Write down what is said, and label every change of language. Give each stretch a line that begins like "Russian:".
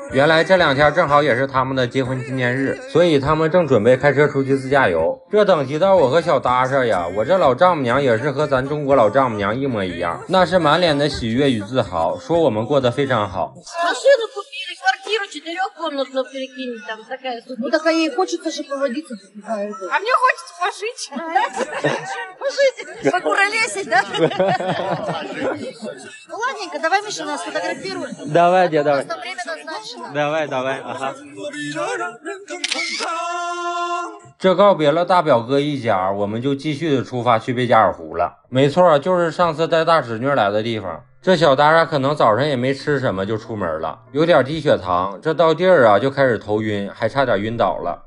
Chinese: 原来这两天正好也是他们的结婚纪念日，所以他们正准备开车出去自驾游。这等级到我和小达莎呀，我这老丈母娘也是和咱中国老丈母娘一模一样，那是满脸的喜悦与自豪，说我们过得非常好。
Russian: 4-комнатную перекинет там такая сумма. Ну так ей хочется, чтобы водиться. А мне хочется пожить. Пожить, покуролесить, да? Ну ладненько, давай, Миша, нас сфотографируем. Давай, дядя, давай. Просто время назначено. Давай, давай, ага.
Chinese: 这告别了大表哥一家，我们就继续的出发去贝加尔湖了。没错，就是上次带大侄女来的地方。这小达莎可能早上也没吃什么就出门了，有点低血糖，这到地儿啊就开始头晕，还差点晕倒了。